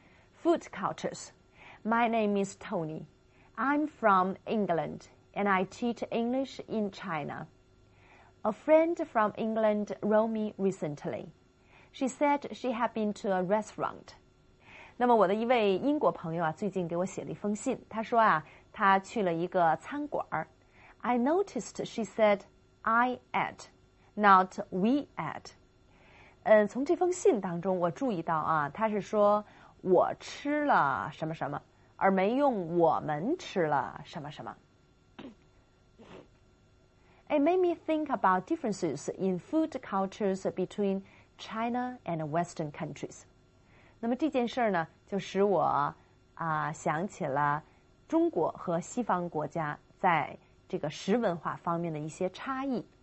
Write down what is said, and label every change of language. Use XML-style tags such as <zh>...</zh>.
<en>Food cultures. My name is Tony. I'm from England and I teach English in China. A friend from England wrote me recently. She said she had been to a restaurant.</en> <zh>那么我的一位英国朋友啊最近给我写了一封信。她说啊她去了一个餐馆。</zh> <en>I noticed she said I ate, not we ate.</en> <zh>从这封信当中我注意到啊他是说我吃了什么什么而没用我们吃了什么什么</zh> <en>It made me think about differences in food cultures between China and Western countries</en> <zh>那么这件事呢就使我想起了中国和西方国家在这个食文化方面的一些差异</zh>